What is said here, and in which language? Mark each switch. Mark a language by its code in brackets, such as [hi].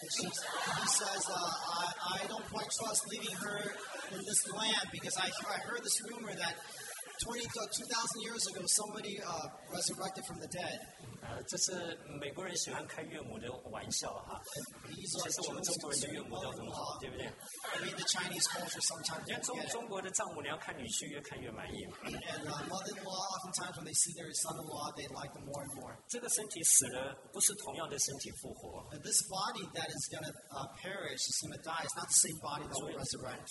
[en] He says, "I don't quite trust leaving her in this land because I heard this rumor that 2000 years ago somebody resurrected from the dead." [zh] 这是美国人喜欢开岳母的玩笑哈，其实我们中国人的岳母都很好，对不对？ [en] I mean the Chinese culture sometimes. [zh] 连中国的丈母娘看女婿越看越满意嘛。And [en] mother-in-law, oftentimes when they see their son-in-law, they like them more and more. [zh] 这个身体死了，不是同样的身体复活。And [en] this body that is gonna perish, is gonna die, is not the same body that will resurrect.